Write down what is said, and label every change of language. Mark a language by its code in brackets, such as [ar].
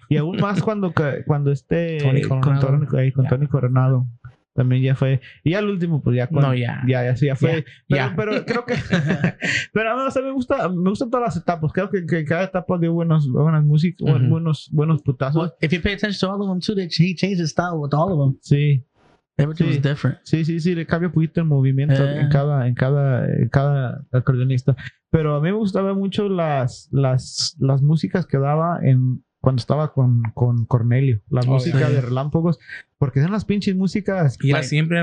[es] Y aún más cuando esté con Tony Coronado. También ya fue. Y al último, pues ya. Ya fue. Pero creo que. Pero a mí, o sea, me gusta todas las etapas. Creo que cada etapa dio buenas músicas, buenos putazos. [en] Well, if you pay attention to all of them too, he changed his style with all of them. [es] Sí. [en] Everything was different. [es] Sí. Le cambia un poquito el movimiento en cada acordeonista. Pero a mí me gustaba mucho las músicas que daba en. Cuando estaba con Cornelio, la música de Relámpagos, porque eran las pinches músicas. Y era siempre